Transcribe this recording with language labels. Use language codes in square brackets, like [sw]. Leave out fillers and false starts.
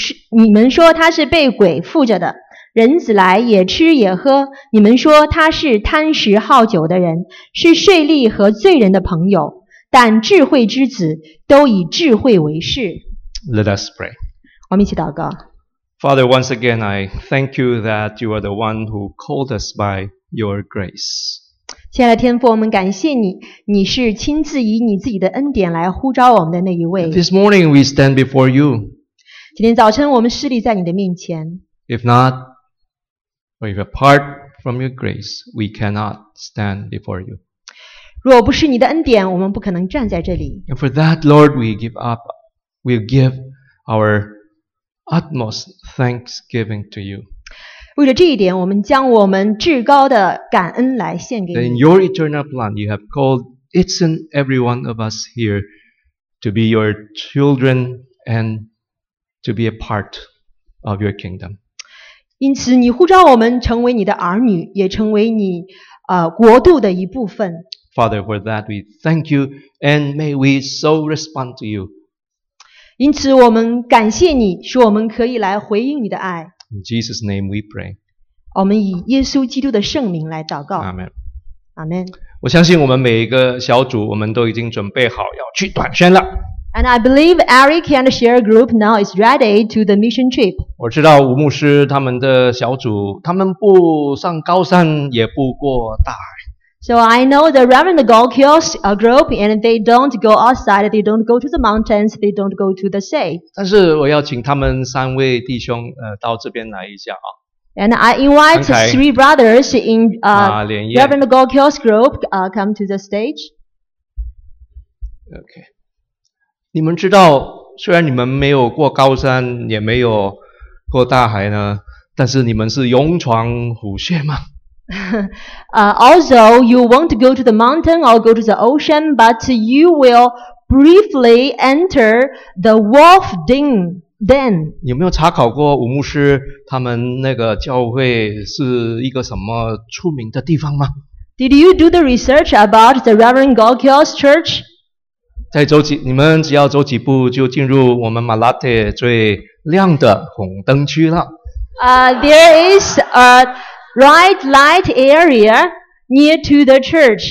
[zh] 你们说他是被鬼附着的，人子来也吃也喝，你们说他是贪食好酒的人，是税吏和罪人的朋友，但智慧之子都以智慧为事。 [en] Let us pray. [zh] 我们一起祷告。 [en] Father, once again, I thank you that you are the one who called us by your grace. [zh] 亲爱的天父，我们感谢你，你是亲自以你自己的恩典来呼召我们的那一位。 [en] This morning we stand before you. [zh] 今天早晨我们侍立在你的面前。 [en] If not, or if apart from your grace, we cannot stand before you. [zh] 若不是你的恩典，我们不可能站在这里。 [en] And for that, Lord, we give our utmost thanksgiving to you. [zh] 为了这一点，我们将我们至高的感恩来献给你。 [en] In your eternal plan, you have called each and every one of us here to be your children and to be a part of your kingdom. [zh] 因此，你呼召我们成为你的儿女，也成为你国度的一部分。 [en] Father, for that we thank you, and may we so respond to you. [zh] 因此，我们感谢你，使我们可以来回应你的爱。 [en] In Jesus' name we pray. [zh] 我们以耶稣基督的圣名来祷告。 [en] Amen. Amen. [zh] 我相信我们每一个小组，我们都已经准备好要去短宣了。 [en] And I believe Eric and Share Group now is ready to the mission trip. [zh] 我知道吴牧师他们的小组，他们不上高三，也不过大。 [en] So I know the Reverend Gokyo's group, and they don't go outside, they don't go to the mountains, they don't go to the sea. [zh] 但是我要请他们三位弟兄到这边来一下啊。 [en] And I invite three brothers in Reverend Gokyo's group come to the stage. Okay. [zh] 你们知道，虽然你们没有过高山，也没有过大海呢，但是你们是勇闯虎穴吗？ [en] Also, you won't go to the mountain or go to the ocean, but you will briefly enter the wolf den. [zh] 有没有查考过吴牧师他们那个教会是一个什么出名的地方吗？ [en] Did you do the research about the Reverend Gokyo's church? [zh] 再走几，你们只要走几步就进入我们马拉特最亮的红灯区了。 [en] There is a bright light area near to the church.